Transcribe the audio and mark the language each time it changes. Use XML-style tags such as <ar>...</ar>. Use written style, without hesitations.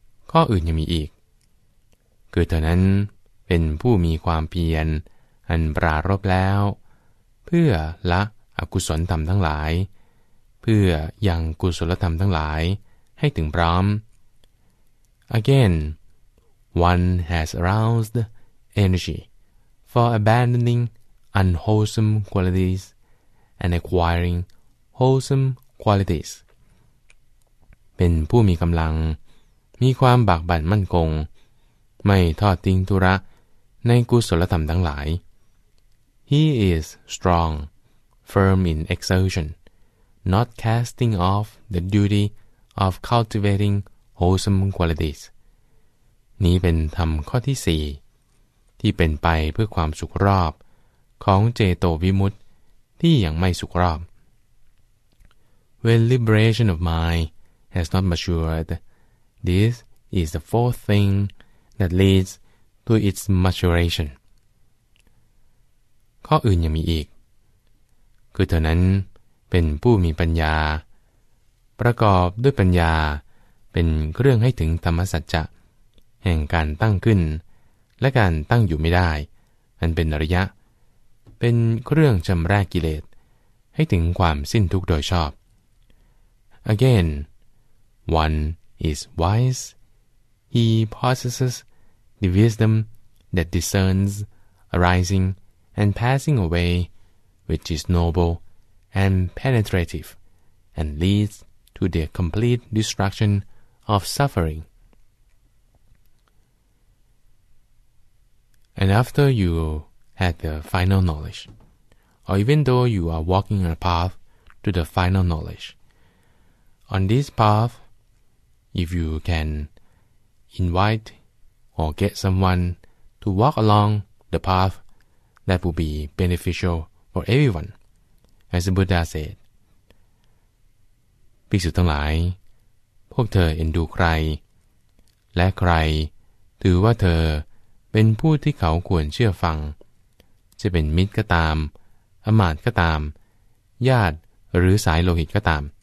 <th>ข้ออื่นยังมีอีกคือเธอนั้นเป็นผู้มีความเพียรอันปรารภแล้วเพื่อละอกุศลธรรมทั้งหลายเพื่อยังกุศลธรรมทั้งหลายให้ถึงพร้อม</th> <en>Again, one has aroused energy for abandoning unwholesome qualities and acquiring wholesome qualities.</en> <th>เป็นผู้มีกำลังมีความบากบั่นมั่นคงไม่ทอดทิ้งธุระในกุศลธรรมทั้งหลาย</th> <en>He is strong, firm in exertion, not casting off the duty of cultivating wholesome qualities.</en> <th>นี้เป็นธรรมข้อที่สี่ที่เป็นไปเพื่อความสุขรอบของเจโตวิมุตติที่ยังไม่สุขรอบ</th> <en>When liberation of mind has not matured, this is the fourth thing that leads to its maturation.</en> <th>ข้ออื่นยังมีอีกคือเธอนั้นเป็นผู้มีปัญญาประกอบด้วยปัญญา เป็นเครื่องให้ถึงธรรมสัจจะแห่งการตั้งขึ้นและการตั้งอยู่ไม่ได้อันเป็นอริยะเป็นเครื่องชำระกิเลสให้ถึงความสิ้นทุกข์โดยชอบ</th> <en>Again, one is wise. He possesses the wisdom that discerns arising and passing away, which is noble and penetrative, and leads to the complete destruction of suffering. And after you had the final knowledge, or even though you are walking on a path to the final knowledge, on this path, if you can invite or get someone to walk along the path, that will be beneficial for everyone. As the Buddha said,</en> <th>ภิกษุทั้งหลายพวกเธอเอ็นดูใครและใครถือว่าเธอเป็นผู้ที่เขาควรเชื่อฟังจะเป็นมิตรก็ตามอมาตย์ก็ตามญาติหรือสายโลหิตก็ตาม</th>